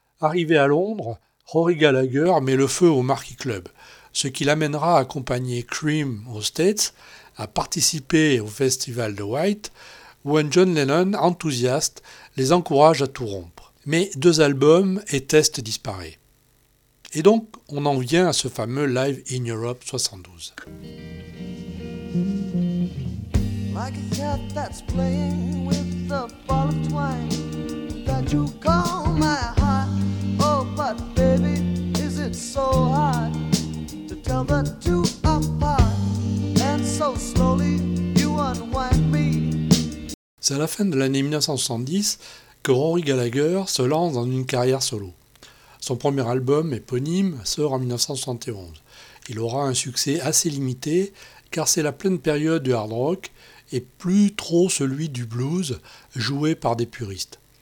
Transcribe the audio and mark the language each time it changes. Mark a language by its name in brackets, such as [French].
[French] Arrivé à Londres, Rory Gallagher met le feu au Marquee Club, ce qui l'amènera à accompagner Cream aux States, à participer au Festival de White, où un John Lennon, enthousiaste, les encourage à tout rompre. Mais deux albums et Test disparaît. Et donc, on en vient à ce fameux Live in Europe 72. [English] Like a cat that's playing with a ball of twine that you call my heart. Oh, but baby, is it so hard to tell the two apart? And so slowly you unwind me. [French] C'est à la fin de l'année 1970 que Rory Gallagher se lance dans une carrière solo. Son premier album éponyme sort en 1971. Il aura un succès assez limité car c'est la pleine période du hard rock et plus trop celui du blues joué par des puristes.